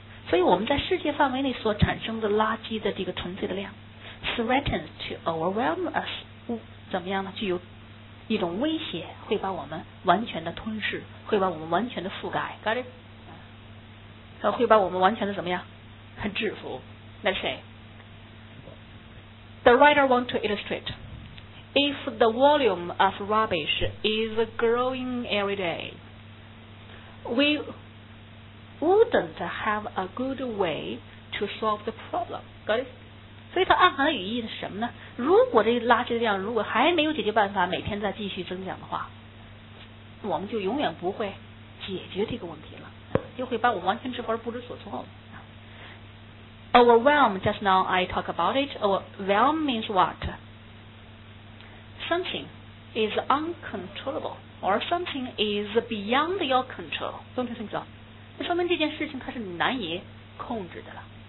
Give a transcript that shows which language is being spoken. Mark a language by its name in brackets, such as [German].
[Chinese] 所以我们在世界范围内所产生的垃圾的这个纯粹的量 ， [English] threatens to overwhelm us， [Chinese] 怎么样呢？具有一种威胁会把我们完全的吞噬，会把我们完全的覆盖。 [English] Got it？ [Chinese] 会把我们完全的怎么样？很制服。 [English] Let's say the writer want to illustrate if the volume of rubbish is growing every day, we wouldn't have a good way to solve the problem. Got it? [Chinese] 所以它暗含的语义是什么呢？如果这垃圾的量如果还没有解决办法，每天再继续增长的话，我们就永远不会解决这个问题了，就会把我完全制服而不知所措了。 [English] Overwhelm, just now I talk about it. Overwhelm means what? Something is uncontrollable or something is beyond your control. Don't you think so? [Chinese] 那说明这件事情它是难以控制的了。